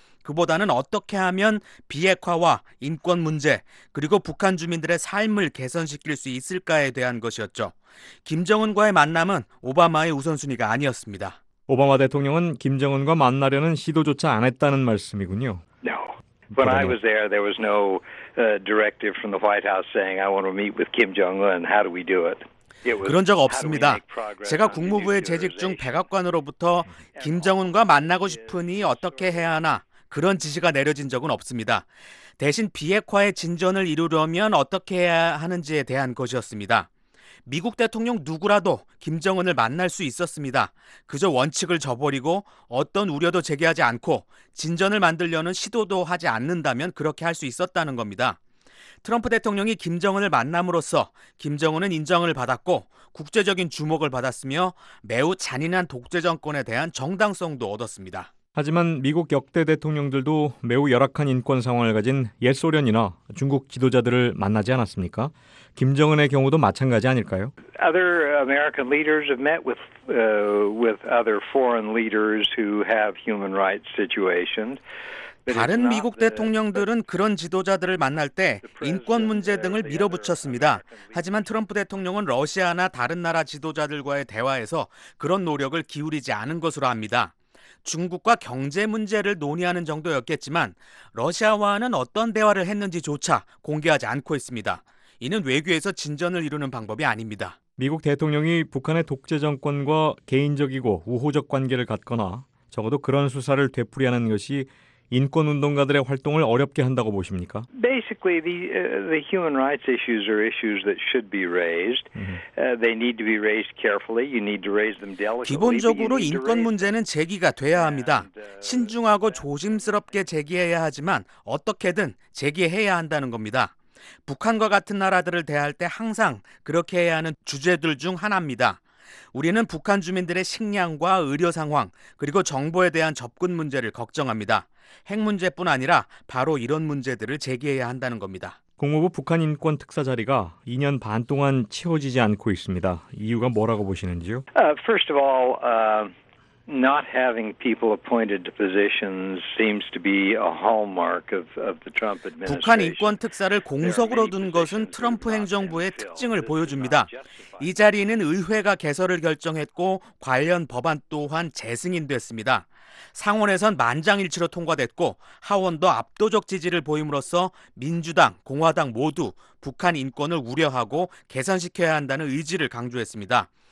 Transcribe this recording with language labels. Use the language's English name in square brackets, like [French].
[Korean] 그보다는 어떻게 하면 비핵화와 인권 문제 그리고 북한 주민들의 삶을 개선시킬 수 있을까에 대한 것이었죠. 김정은과의 만남은 오바마의 우선순위가 아니었습니다. 오바마 대통령은 김정은과 만나려는 시도조차 안 했다는 말씀이군요. [English] No. When I was there, there was no directive from the White House saying I want to meet with Kim Jong-un. How do we do it? [Korean] 그런 적 없습니다. 제가 국무부에 재직 중 백악관으로부터 김정은과 만나고 싶으니 어떻게 해야 하나 그런 지시가 내려진 적은 없습니다. 대신 비핵화의 진전을 이루려면 어떻게 해야 하는지에 대한 것이었습니다. 미국 대통령 누구라도 김정은을 만날 수 있었습니다. 그저 원칙을 저버리고 어떤 우려도 제기하지 않고 진전을 만들려는 시도도 하지 않는다면 그렇게 할 수 있었다는 겁니다. 트럼프 대통령이 김정은을 만남으로써 김정은은 인정을 받았고 국제적인 주목을 받았으며 매우 잔인한 독재 정권에 대한 정당성도 얻었습니다. 하지만 미국 역대 대통령들도 매우 열악한 인권 상황을 가진 옛 소련이나 중국 지도자들을 만나지 않았습니까? 김정은의 경우도 마찬가지 아닐까요? [English] Other American leaders have met with other foreign leaders who have human rights situations. [Korean] 다른 미국 대통령들은 그런 지도자들을 만날 때 인권 문제 등을 밀어붙였습니다. 하지만 트럼프 대통령은 러시아나 다른 나라 지도자들과의 대화에서 그런 노력을 기울이지 않은 것으로 압니다. 중국과 경제 문제를 논의하는 정도였겠지만 러시아와는 어떤 대화를 했는지조차 공개하지 않고 있습니다. 이는 외교에서 진전을 이루는 방법이 아닙니다. 미국 대통령이 북한의 독재 정권과 개인적이고 우호적 관계를 갖거나 적어도 그런 수사를 되풀이하는 것이 인권운동가들의 활동을 어렵게 한다고 보십니까? [English] Basically, the human rights issues are issues that should be raised. They need to be raised carefully. You need to raise them delicately. [Korean] 기본적으로 인권 문제는 제기가 돼야 합니다. 신중하고 조심스럽게 제기해야 하지만 어떻게든 제기해야 한다는 겁니다. 북한과 같은 나라들을 대할 때 항상 그렇게 해야 하는 주제들 중 하나입니다. 우리는 북한 주민들의 식량과 의료 상황 그리고 정보에 대한 접근 문제를 걱정합니다. 핵 문제뿐 아니라 바로 이런 문제들을 제기해야 한다는 겁니다. 국무부 북한인권특사 자리가 2년 반 동안 채워지지 않고 있습니다. 이유가 뭐라고 보시는지요? [English] First of all, not having people appointed to positions seems to be a hallmark of the Trump administration. [Korean] 북한 인권 특사를 공석으로 둔 것은 트럼프 행정부의 특징을 보여줍니다. 이 자리는 의회가 개설을 결정했고 관련 법안 또한 재승인됐습니다. 상원에선 만장일치로 통과됐고 하원도 압도적 지지를 보임으로써 민주당, 공화당 모두 북한 인권을 우려하고 개선시켜야 한다는 의지를 강조했습니다.